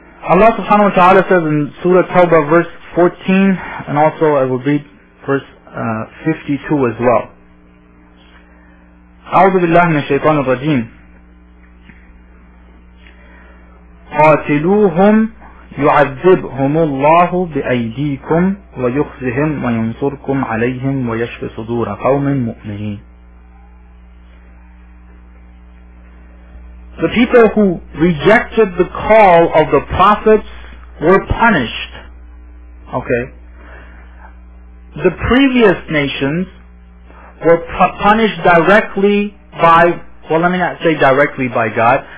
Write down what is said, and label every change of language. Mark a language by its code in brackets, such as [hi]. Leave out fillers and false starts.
[en] Allah subhanahu wa ta'ala says in Surah Tawbah verse 14, and also I will read verse 52 as well. [ar] أعوذ بالله من الشيطان الرجيم قاتلوهم يعذبهم الله بأيديكم ويخزهم وينصركم عليهم ويشفي صدور قوم مؤمنين. [en] The people who rejected the call of the prophets were punished. Okay. The previous nations were punished directly by, well, let me not say directly by God.